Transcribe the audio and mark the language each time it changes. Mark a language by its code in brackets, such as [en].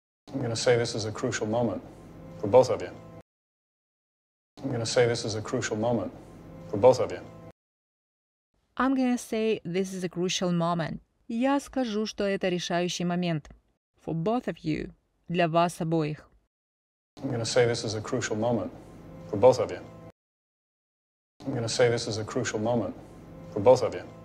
[en] I'm going to say this is a crucial moment for both of you. I'm going to say this is a crucial moment for both of you. I'm going to say this is a crucial moment. [ru] Я скажу, что это решающий момент. [en] For both of you. [ru] Для вас обоих. [en] I'm going to say this is a crucial moment for both of you. I'm going to say this is a crucial moment for both of you.